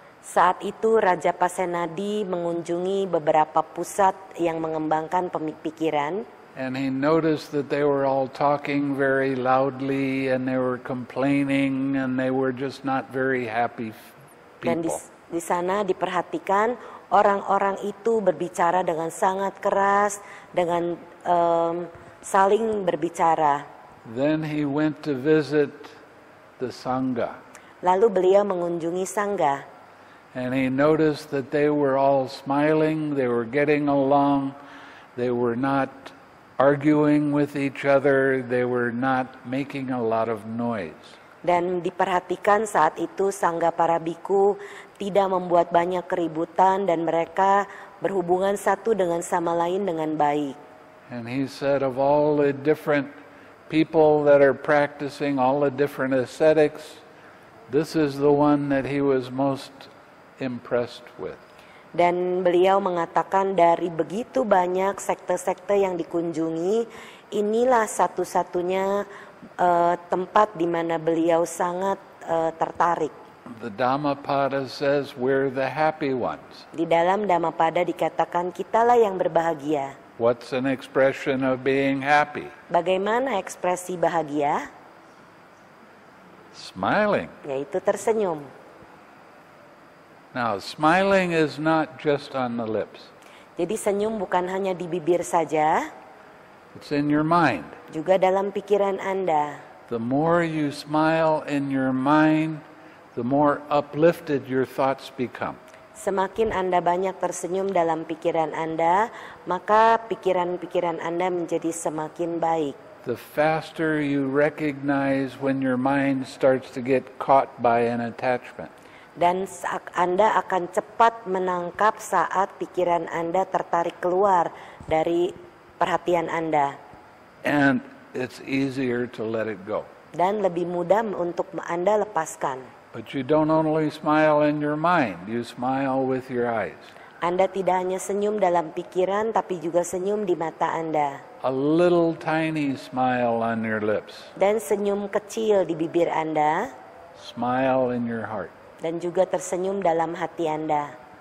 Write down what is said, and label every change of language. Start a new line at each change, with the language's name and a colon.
Indonesian: Saat itu Raja Pasenadi mengunjungi beberapa pusat yang mengembangkan pemikiran.
English: And he noticed that they were all talking very loudly and they were complaining and they were just not very happy people.
Indonesian: Dan di sana diperhatikan orang-orang itu berbicara dengan sangat keras, dengan saling berbicara.
English: Then he went to visit the Sangha.
Indonesian: Lalu beliau mengunjungi Sangha.
English: And he noticed that they were all smiling, they were getting along, they were not arguing with each other, they were not making a lot of noise.
Indonesian: Dan diperhatikan saat itu Sangga para biku tidak membuat banyak keributan dan mereka berhubungan satu dengan sama lain dengan baik.
English: And he said of all the different people that are practicing all the different ascetics, this is the one that he was most impressed with.
Indonesian: Dan beliau mengatakan dari begitu banyak sekte-sekte yang dikunjungi, inilah satu-satunya tempat di mana beliau sangat tertarik.
English: The Dhammapada says we're the happy ones.
Indonesian: Di dalam Dhammapada dikatakan kitalah yang berbahagia.
English: What's an expression of being happy?
Indonesian: Bagaimana ekspresi bahagia?
English: Smiling.
Indonesian: Yaitu tersenyum.
English: Now, smiling is not just on the lips.
Indonesian: Jadi senyum bukan hanya di bibir saja.
English: It's in your mind.
Indonesian: Juga dalam pikiran Anda.
English: The more you smile in your mind, the more uplifted your thoughts become.
Indonesian: Semakin Anda banyak tersenyum dalam pikiran Anda, maka pikiran-pikiran Anda menjadi semakin baik.
English: The faster you recognize when your mind starts to get caught by an attachment.
Indonesian: Dan Anda akan cepat menangkap saat pikiran Anda tertarik keluar dari perhatian Anda.
English: And it's easier to let it go.
Indonesian: Dan lebih mudah untuk Anda lepaskan.
English: But you don't only smile in your mind, you smile with your eyes.
Indonesian: Anda tidak hanya senyum dalam pikiran, tapi juga senyum di mata Anda.
English: A little tiny smile on your lips.
Indonesian: Dan senyum kecil di bibir Anda.
English: Smile in your heart.
Indonesian: Dan juga tersenyum dalam hati Anda.